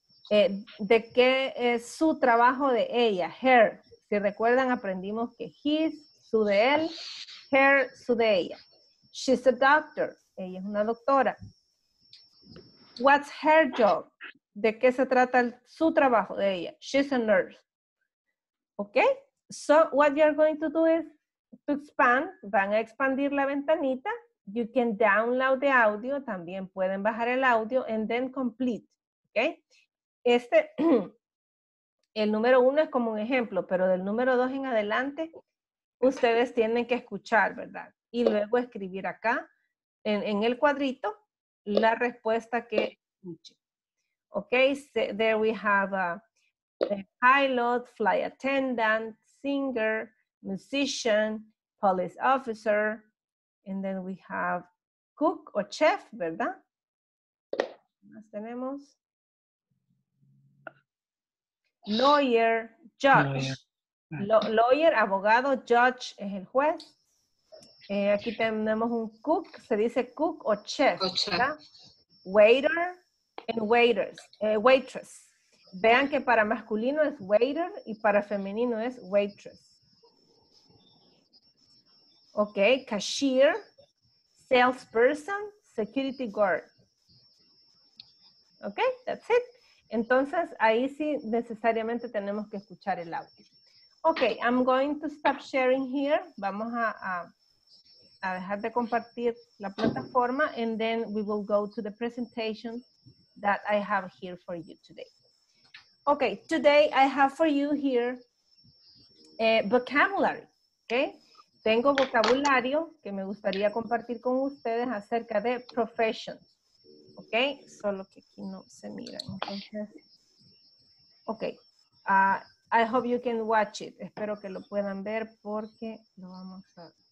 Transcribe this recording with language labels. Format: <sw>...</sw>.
<es>¿De qué es su trabajo de ella? Her. Si recuerdan, aprendimos que his, su de él, her, su de ella.</es> <en>She's a doctor.</en> <es>Ella es una doctora.</es> <en>What's her job?</en> <es>¿De qué se trata su trabajo de ella?</es> <en>She's a nurse. ¿Ok? So, what you're going to do is to expand.</en> <es>Van a expandir la ventanita.</es> <en>You can download the audio.</en> <es>También pueden bajar el audio.</es> <en>And then complete.</en> <es>¿Ok? Este, el número uno es como un ejemplo, pero del número dos en adelante, ustedes tienen que escuchar, ¿verdad? Y luego escribir acá, en el cuadrito, la respuesta que escuche.</es> <en>Ok, so there we have a pilot, flight attendant, singer, musician, police officer, and then we have cook o chef, ¿verdad?</en> <es>¿Qué más tenemos? Lawyer, judge. Lawyer, abogado, judge es el juez. Aquí tenemos un cook, se dice cook o chef.</es> <en>Waiter and waiters, waitress.</en> <es>Vean que para masculino es waiter y para femenino es waitress.</es> <en>Ok, cashier, salesperson, security guard. Ok, that's it.</en> <es>Entonces, ahí sí necesariamente tenemos que escuchar el audio.</es> <en>Ok, I'm going to stop sharing here.</en> <es>Vamos a dejar de compartir la plataforma</es> <en>and then we will go to the presentation that I have here for you today. Ok, today I have for you here vocabulary.</en> <es>Ok, tengo vocabulario que me gustaría compartir con ustedes acerca de professions. Ok, solo que aquí no se mira.</es> <en>Entonces, ok, I hope you can watch it.</en> <es>Espero que lo puedan ver porque lo vamos a...</es>